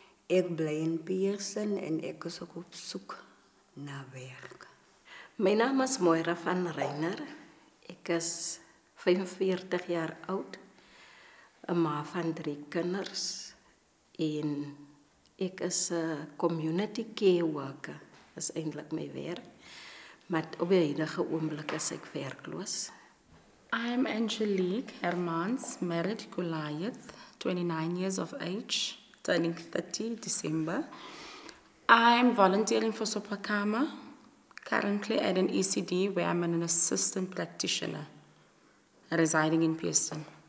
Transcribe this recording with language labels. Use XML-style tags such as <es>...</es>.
<af>Ek bly in Pearson en ek is ook op soek na werk. My naam is Moira van Reiner, ek is 45 jaar oud, een ma van 3 kinders en ek is een community care worker, is eindelijk my werk. Maar op die huidige oomblik is ek werkloos.</af> <en>I am Angelique Hermans, married Goliath, 29 years of age, turning 30 December. I am volunteering for Sopakama, currently at an ECD where I'm an assistant practitioner, residing in Pearston.</en>